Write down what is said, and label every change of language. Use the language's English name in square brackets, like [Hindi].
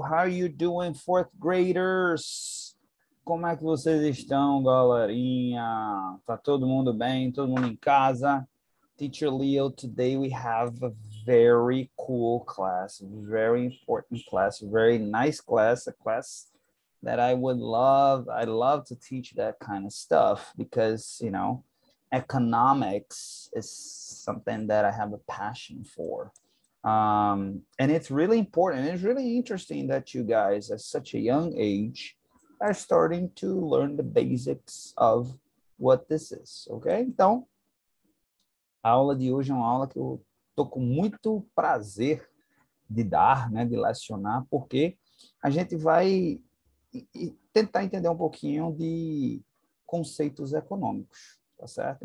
[English] How are you doing, fourth graders? [Portuguese] Como é que vocês estão, galerinha? Tá todo mundo bem? Todo mundo em casa? [English] Teacher Leo, today we have a very cool class, very important class, very nice class, a class that I would love. I love to teach that kind of stuff because, you know, economics is something that I have a passion for. And it's really important. It's really interesting that you guys, at such a young age, are starting to learn the basics of what this is, okay? [Portuguese] Então, a aula de hoje é uma aula que eu tô com muito prazer de dar, né, de lecionar, porque a gente vai tentar entender um pouquinho de conceitos econômicos. Tá certo?